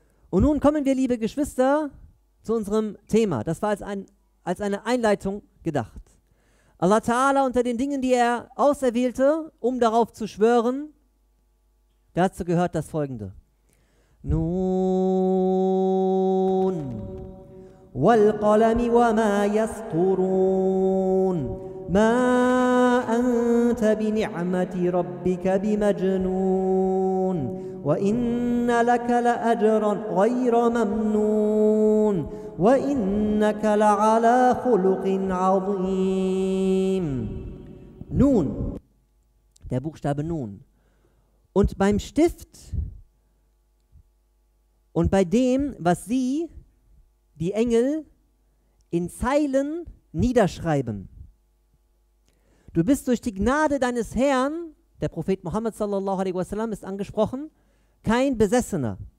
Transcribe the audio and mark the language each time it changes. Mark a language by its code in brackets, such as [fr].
[de] Und nun kommen wir, liebe Geschwister, zu unserem Thema. Das war als eine Einleitung gedacht. Allah Ta'ala unter den Dingen, die er auserwählte, um darauf zu schwören, dazu gehört das Folgende. [ar] Nun, والقلم وما يسطرون ما أنت بنعمة ربك بمجنون وإن لك لأجرا غير ممنون وإنك لعلى خلق عظيم. [de] Nun, der Buchstabe Nun. Und beim Stift und bei dem, was sie, die Engel, in Zeilen niederschreiben. Du bist durch die Gnade deines Herrn, der Prophet Muhammad sallallahu alaihi wasallam ist angesprochen, kein Besessener.